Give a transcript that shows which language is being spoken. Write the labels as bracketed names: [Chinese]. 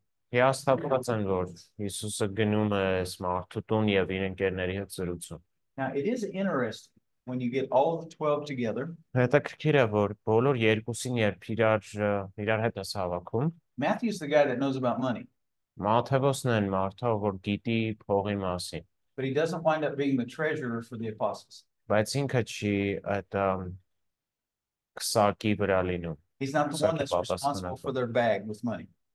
[Armenian] Հիասթափված են, որ Հիսուսը գնում է այս մարդու տուն եւ իր ընկերների հետ զրուցում։ [English] Now it is interesting when you get all the 12 together. [Armenian] Հետաքրքիր է, որ բոլոր երկուսին երբ իրար հետ ես հավաքում։ [English] Matthew's the guy that knows about money. [Armenian] Մաթեոսն է մարդը, որ գիտի փողի մասին։ [English] But he doesn't wind up being the treasurer for the apostles. [Armenian] Բայց ինքը չի այդ քսակի վրա լինում։ [English] He's not the one that's responsible for their bag with money.